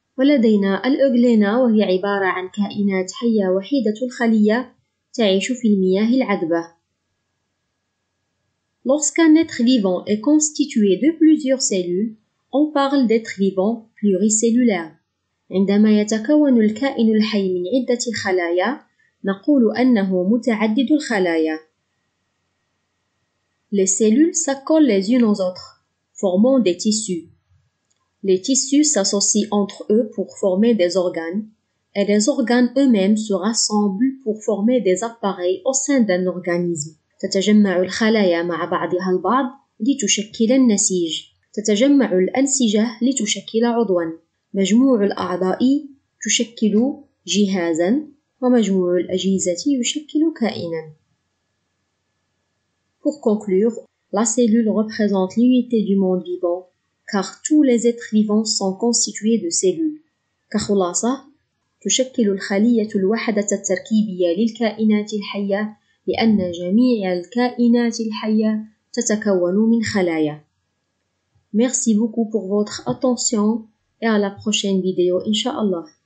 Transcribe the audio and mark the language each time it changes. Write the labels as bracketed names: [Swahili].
[Arabic] ولدينا الأوغلينا، وهي عبارة عن كائنات حية وحيدة الخلية تعيش في المياه العذبة. [French] Lorsqu'un être vivant est constitué de plusieurs cellules, on parle d'être vivant pluricellulaire. [Arabic] عندما يتكون الكائن الحي من عدة خلايا، نقول أنه متعدد الخلايا. [French] Les cellules s'accolent les unes aux autres, formant des tissus. Les tissus s'associent entre eux pour former des organes, et les organes eux-mêmes se rassemblent pour former des appareils au sein d'un organisme. [Arabic] تتجمع الخلايا مع بعضها البعض لتشكل النسيج. تتجمع الأنسجة لتشكل عضواً. مجموع الأعضاء تشكل جهازاً، ومجموع الأجهزة يشكل كائناً. [French] Pour conclure, la cellule représente l'unité du monde vivant, car tous les êtres vivants sont constitués de cellules. [Arabic] كخلاصة، تشكل الخلية الوحدة التركيبية للكائنات الحية، لأن جميع الكائنات الحية تتكون من خلايا. [French] Merci beaucoup pour votre attention et à la prochaine vidéo, Inch'Allah.